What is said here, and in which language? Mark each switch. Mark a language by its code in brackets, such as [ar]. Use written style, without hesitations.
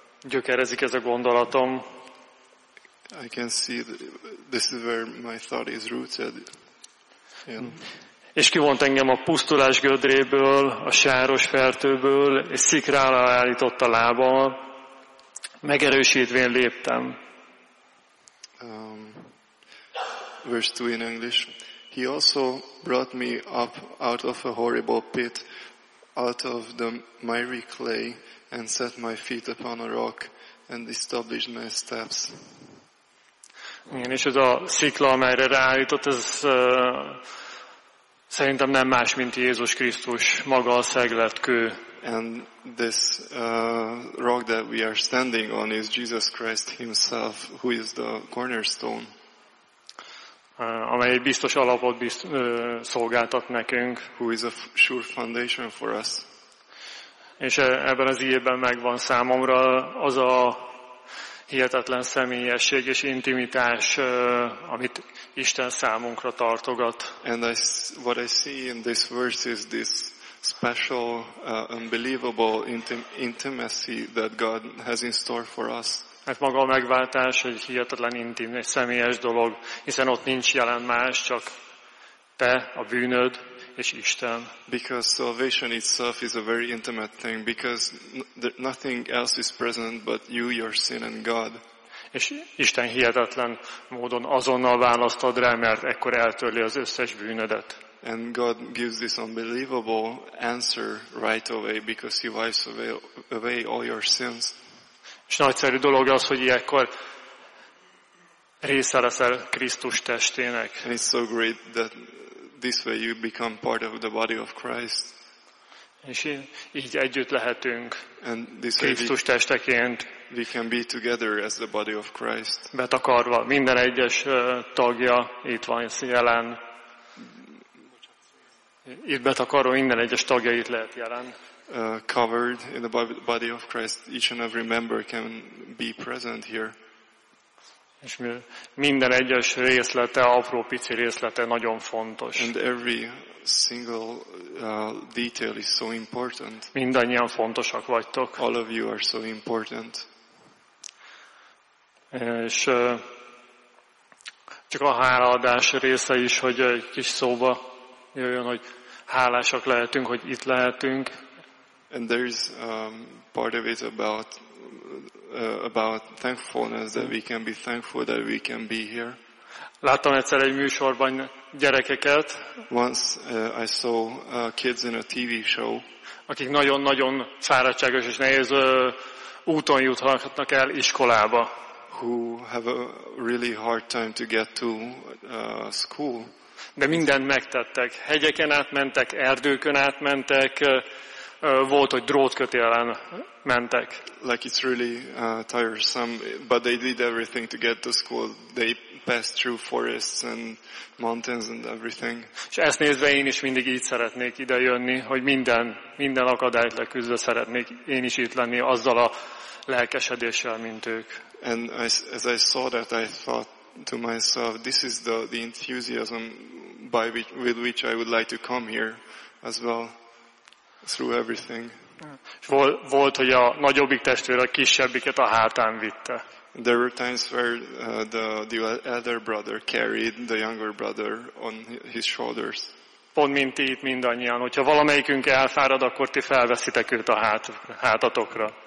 [hu] gyökerezik ez a gondolatom. [en] I can see this is where my thought is rooted. [hu] És kivont engem a pusztulás gödréből, a sáros fertőből, és szikrára állított a lábam, megerősítvén léptem. [en] Verse 2 in English. He also brought me up out of a horrible pit, out of the miry clay, and set my feet upon a rock, and established my steps. [hu] Igen, és ez a szikla, amelyre ráállított, ez szerintem nem más, mint Jézus Krisztus, maga a szeglett kő. [en] And this rock that we are standing on is Jesus Christ himself, who is the cornerstone. [hu] Amely biztos alapot szolgáltat nekünk. [en] Who is a sure foundation for us. [hu] És ebben az ígében megvan számomra az a hihetetlen személyesség és intimitás, amit Isten számunkra tartogat. [en] And what I see in this verse is this special, unbelievable intimacy that God has in store for us. [hu] Mert maga a megváltás egy hihetetlen intim és személyes dolog, hiszen ott nincs jelen más, csak te, a bűnöd és Isten. [en] Because salvation itself is a very intimate thing, because nothing else is present but you, your sin and God. [hu] És Isten hihetetlen módon azonnal választ ad rá, mert ekkor eltörli az összes bűnödet. [en] And God gives this unbelievable answer right away, because he wipes away all your sins. [hu] És nagyszerű dolog az, hogy ilyenkor része leszel Krisztus testének. [en] And it's so great that this way you become part of the body of Christ. [hu] És így együtt lehetünk Krisztus testeként. [en] We can be together as the body of Christ. [hu] Betakarva. Minden egyes tagja itt van jelen. Itt betakarva minden egyes tagja itt lehet jelen. [en] Covered in the body of Christ, each and every member can be present here. [hu] És minden egyes részlete, apró pici részlete nagyon fontos. [en] And every single detail is so important. [hu] Mindannyian fontosak vagytok. [en] All of you are so important. [hu] És csak a hálaadás része is, hogy egy kis szóba jöjjön, hogy hálásak lehetünk, hogy itt lehetünk. [en] And there is part of it about thankfulness, that we can be thankful that we can be here. [hu] Láttam egyszer egy műsorban gyerekeket. [en] Once I saw kids in a TV show. [hu] Akik nagyon-nagyon fáradtságos és nehéz úton juthatnak el iskolába. [en] Who have a really hard time to get to school. [hu] De mindent megtettek. Hegyeken átmentek, erdőkön átmentek. Volt, hogy drótkötélen mentek. [en] Like it's really tiresome, but they did everything to get to school. They pass through forests and mountains and everything. [hu] És ezt nézve én is mindig így szeretnék ide jönni, hogy minden akadályt leküzdve szeretnék én is itt lenni azzal a lelkesedéssel, mint ők. [en] And as I saw that, I thought to myself, this is the enthusiasm with which I would like to come here as well, through everything. [hu] És volt, hogy a nagyobbik testvér a kisebbiket a hátán vitte. [en] There were times where the elder brother carried the younger brother on his shoulders. [hu] Pont mint itt mindannyian, hogyha valamelyikünk elfárad, akkor ti felveszitek őt a hátatokra.